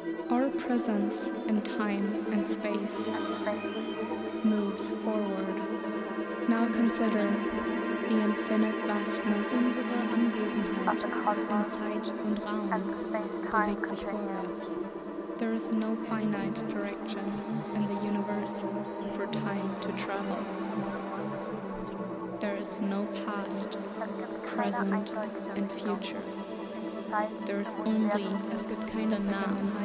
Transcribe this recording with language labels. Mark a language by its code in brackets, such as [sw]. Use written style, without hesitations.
[en] Our presence in time and space moves forward. Now consider the infinite vastness. [de] Unsere Anwesenheit in Zeit und Raum bewegt sich vorwärts. [en] There is no finite direction in the universe for time to travel. There is no past, present and future. There is only the now.